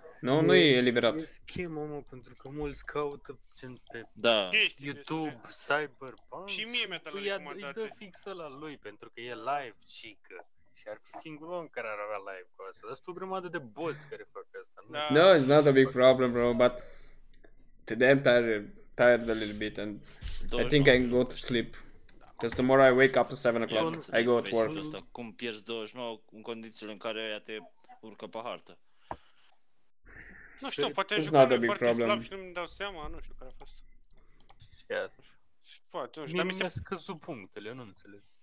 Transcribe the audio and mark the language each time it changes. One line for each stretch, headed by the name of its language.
Romanian: Nu, nu e eliberat. E schemă, mă, pentru că mulți caută gen pe da. YouTube, Cyberpunk. Și mie mi-a dat la recomandate. Îi dă fix ăla lui, pentru că e live, cică. Și ar fi singurul om care ar avea live cu asta. Dar sunt o grămadă de boți care fac asta.
English: No, it's not a big problem, bro, but today I'm tired a little bit and I think I can go to sleep. Because tomorrow I wake up at 7 o'clock, I go to work.
Romanian: Cum pierzi 29 în condițiile în care aia te urcă pe hartă. Nu știu, poate jucă foarte problem. Slab și nu-mi dau seama, nu știu care a fost. Ce asta? Poate, nu știu, dar mi se... Mi-a scăzut punctele, nu înțeleg.